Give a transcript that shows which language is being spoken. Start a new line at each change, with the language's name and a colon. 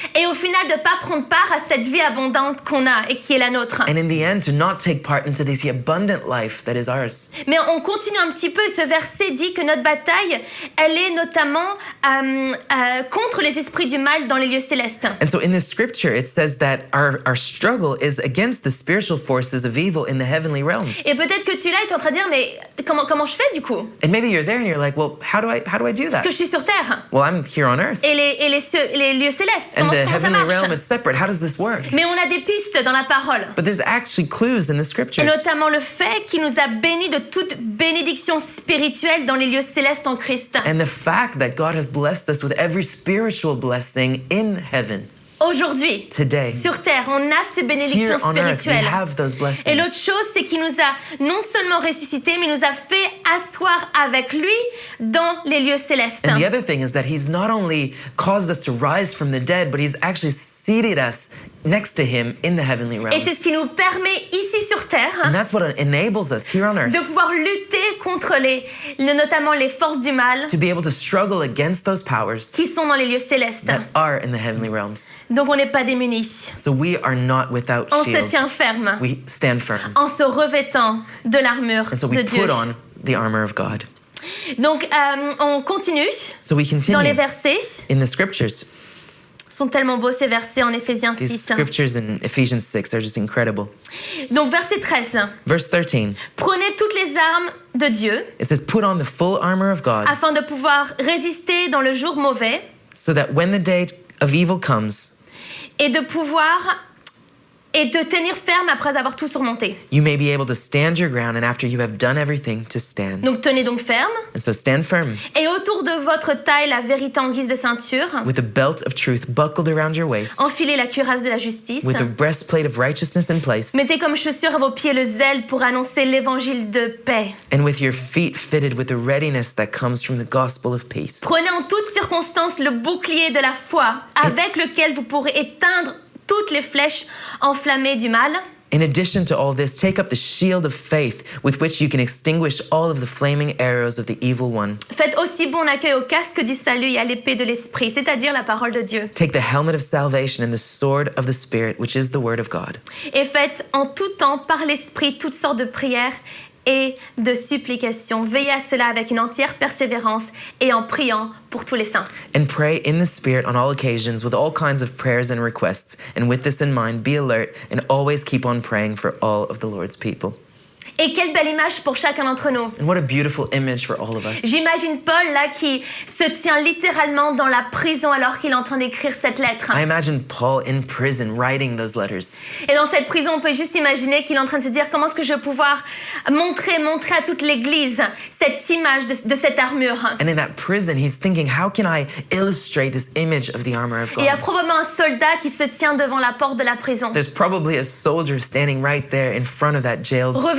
French: Et au final, de ne pas prendre part à cette vie abondante qu'on a et qui est la nôtre.
English: And in the end, to not take part into this abundant life that is ours.
French: Mais on continue un petit peu. Ce verset dit que notre bataille, elle est notamment contre les esprits du mal dans les lieux célestes.
English: And so in this scripture, it says that our struggle is against the spiritual forces of evil in the heavenly realms.
French: Et peut-être que tu l'as, tu es en train de dire, mais comment je fais du coup?
English: And maybe you're there and you're like, well, how do I do that?
French: Parce que je suis sur terre.
English: Well, I'm here on earth.
French: Et les lieux célestes.
English: And the heavenly realm is separate. How does this work?
French: Mais on a des pistes dans la parole.
English: But there's actually clues in the scriptures.
French: Et notamment le fait qu'il nous a bénis de toute bénédiction spirituelle dans les lieux célestes en Christ.
English: And the fact that God has blessed us with every spiritual blessing in heaven.
French: aujourd'hui,
English: today,
French: sur terre, on a ces bénédictions spirituelles.
English: Earth,
French: et l'autre chose, c'est qu'il nous a non seulement ressuscité, mais il nous a fait asseoir avec lui dans les lieux célestes.
English: And the other thing is that he's not only caused us to rise from the dead, but he's actually seated us next to him in the heavenly realms.
French: Et c'est ce qui nous permet ici sur terre,
English: and that's what enables us here on earth,
French: de pouvoir lutter contre les, notamment les forces du mal,
English: to be able to struggle against those powers
French: qui sont dans les lieux célestes,
English: that are in the heavenly realms.
French: Donc on n'est pas démunis.
English: So we are not without shield.
French: On se tient ferme.
English: We stand firm.
French: En se revêtant de l'armure de Dieu.
English: And so we put on the armor of God.
French: Donc on continue.
English: So we continue
French: dans les versets.
English: In the scriptures.
French: Sont tellement beaux ces versets en Éphésiens 6.
English: These scriptures in Ephesians 6 are just incredible.
French: Donc verset 13.
English: Verse 13.
French: Prenez toutes les armes de Dieu.
English: It says put on the full armor of God.
French: Afin de pouvoir résister dans le jour mauvais.
English: So that when the day of evil comes.
French: Et de pouvoir et de tenir ferme après avoir tout surmonté.
English: You may be able to stand your ground and after you have done everything to stand.
French: Donc tenez donc ferme.
English: And so stand firm.
French: Et autour de votre taille la vérité en guise de ceinture.
English: With the belt of truth buckled around your waist.
French: Enfilez la cuirasse de la justice.
English: With the breastplate of righteousness in place.
French: Mettez comme chaussure à vos pieds le zèle pour annoncer l'évangile de paix.
English: And with your feet fitted with the readiness that comes from the gospel of peace.
French: Prenez en toutes circonstances le bouclier de la foi avec lequel vous pourrez éteindre toutes les flèches enflammées du mal.
English: In addition to all this, take up the shield of faith with which you can extinguish all of the flaming arrows of the evil one.
French: Faites aussi bon accueil au casque du salut et à l'épée de l'esprit, c'est-à-dire la parole de Dieu.
English: Take the helmet of salvation and the sword of the spirit, which is the word of God.
French: Et faites en tout temps par l'esprit toutes sortes de prières et de supplications. Veillez à cela avec une entière persévérance et en priant pour tous les saints.
English: And pray in the spirit on all occasions with all kinds of prayers and requests. And with this in mind, be alert and always keep on praying for all of the Lord's people.
French: Et quelle belle image pour chacun d'entre nous.
English: And what a beautiful image for all of us.
French: J'imagine Paul là qui se tient littéralement dans la prison alors qu'il est en train d'écrire cette lettre.
English: I imagine Paul in prison writing those letters.
French: Et dans cette prison, on peut juste imaginer qu'il est en train de se dire comment est-ce que je vais pouvoir montrer à toute l'église cette image de cette armure.
English: And in that prison, he's thinking how can I illustrate this image of the armor of God?
French: Il y a probablement un soldat qui se tient devant la porte de la prison.
English: There's probably a soldier standing right there in front of that jail.